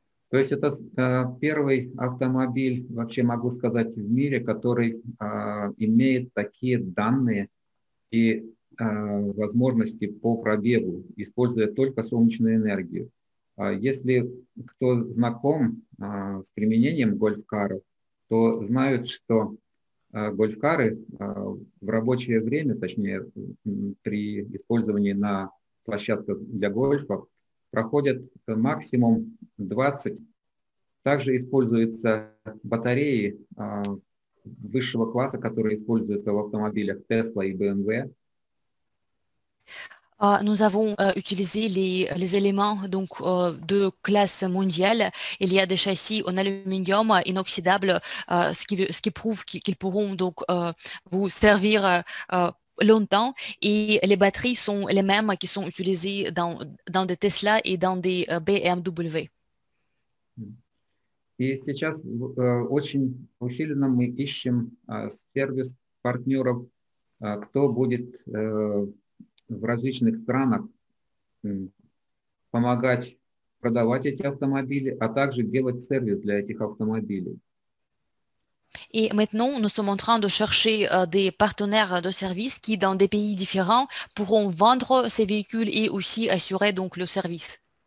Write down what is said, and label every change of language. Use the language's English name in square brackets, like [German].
[Russian] То есть это первый автомобиль, вообще могу сказать, в мире, который имеет такие данные и возможности по пробегу, используя только солнечную энергию. Если кто знаком с применением гольф-каров, то знают, что гольф-кары в рабочее время, точнее при использовании на площадках для гольфа, проходят максимум 20. Также используются батареи высшего класса, которые используются в автомобилях Tesla и BMW. [French] Nous avons utilisé les éléments donc de classe mondiale. Il y a des châssis en aluminium inoxydable, ce qui prouve qu'ils pourront donc vous servir longtemps. Et les batteries sont les mêmes qui sont utilisées dans des Tesla et dans des BMW. [Russian] И сейчас очень усиленно мы ищем сервис-партнеров, кто будет в различных странах помогать продавать эти автомобили, а также делать сервис для этих автомобилей. [French] Et maintenant, nous sommes en train de chercher des partenaires de services qui, dans des pays différents, pourront vendre ces véhicules et aussi assurer donc le service.